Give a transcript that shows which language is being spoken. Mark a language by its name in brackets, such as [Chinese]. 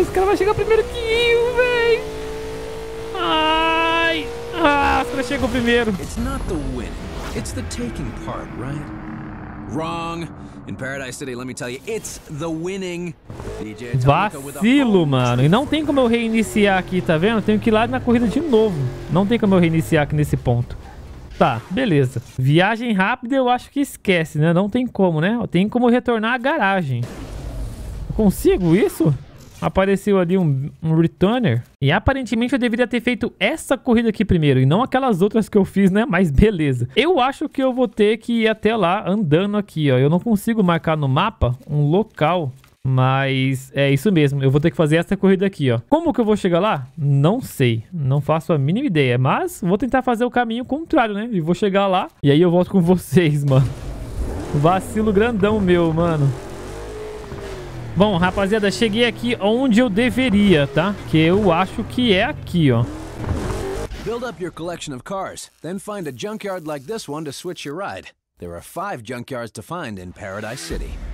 [Portuguese] Esse cara vai chegar primeiro que eu, velho. Ai. Ah, os caras chegam primeiro. [English] It's not the winning. It's the taking part, right? Wrong. In Paradise City, let me tell you, it's the winning. [Portuguese] Vacilo, mano. E não tem como eu reiniciar aqui, tá vendo? Tenho que ir lá na corrida de novo. Não tem como eu reiniciar aqui nesse ponto. Tá, beleza. Viagem rápida eu acho que esquece, né? Não tem como, né? Tem como retornar à garagem. Eu consigo isso? Apareceu ali um returner. E aparentemente eu deveria ter feito essa corrida aqui primeiro e não aquelas outras que eu fiz, né? Mas beleza. Eu acho que eu vou ter que ir até lá andando aqui, ó. Eu não consigo marcar no mapa um local, mas é isso mesmo. Eu vou ter que fazer essa corrida aqui, ó. Como que eu vou chegar lá? Não sei. Não faço a mínima ideia, mas vou tentar fazer o caminho contrário, né? E vou chegar lá e aí eu volto com vocês, mano. Vacilo grandão meu, mano. Bom, rapaziada, cheguei aqui onde eu deveria, tá? Que eu acho que é aqui, ó. [English] Build up your collection of cars, then find a junkyard like this one to switch your ride. There are 5 junkyards to find in Paradise City.